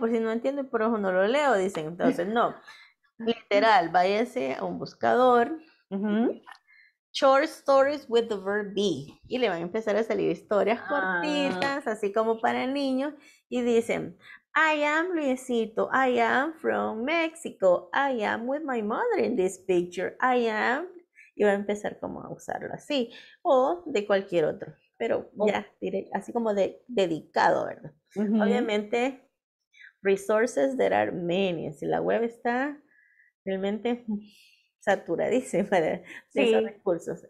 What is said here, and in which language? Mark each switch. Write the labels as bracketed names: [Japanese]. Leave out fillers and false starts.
[Spanish] Por si no entiendo, por eso no lo leo, dicen. Entonces, no. Literal, váyase a un buscador. Uh-huh. [English] Short stories with the verb be. [Spanish] Y le van a empezar a salir historias cortitas, así como para niños. Y dicen, [English] I am Luisito. I am from Mexico. I am with my mother in this picture. I am. [Spanish] Y va a empezar como a usarlo así. O de cualquier otro. Pero ya, así como dedicado, ¿verdad? Uh-huh. [English] Obviamente, resources there are many. [Spanish] Si la web está realmente saturadísima de esos recursos.